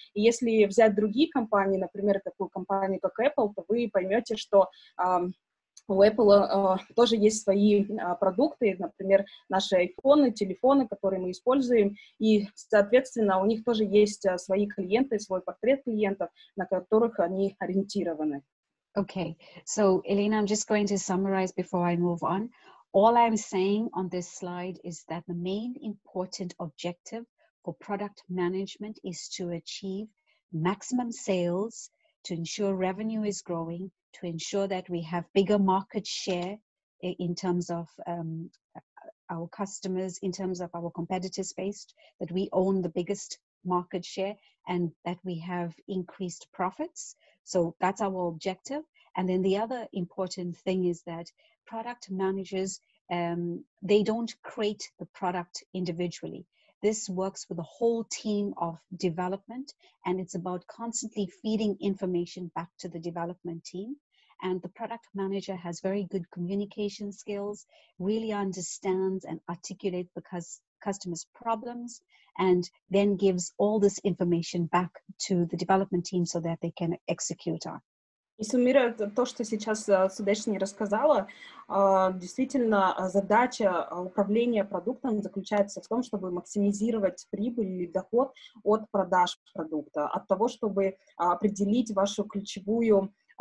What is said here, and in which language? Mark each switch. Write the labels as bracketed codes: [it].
[ru] И если взять другие компании, например, такую компанию, как Apple, то вы поймете, что у Apple тоже есть свои продукты, например, наши айфоны, телефоны, которые мы используем, и, соответственно, у них тоже есть свои клиенты, свой портрет клиентов, на которых они ориентированы. [en] Okay, so, Elena, I'm just going to summarize before I move on. All I'm saying on this slide is that the main important objective for product management is to achieve maximum sales, to ensure revenue is growing, to ensure that we have bigger market share in terms of our customers, in terms of our competitors based, that we own the biggest market share and that we have increased profits. So that's our objective. And then the other important thing is that product managers, they don't create the product individually. This works with a whole team of development, and it's about constantly feeding information back to the development team. And the product manager has very good communication skills, really understands and articulates the customer's problems, and then gives all this information back to the development team so that they can execute on. [ru] И суммируя то, что сейчас Судешни рассказала, действительно, задача управления продуктом заключается в том, чтобы максимизировать прибыль или доход от продаж продукта, от того, чтобы определить вашу ключевую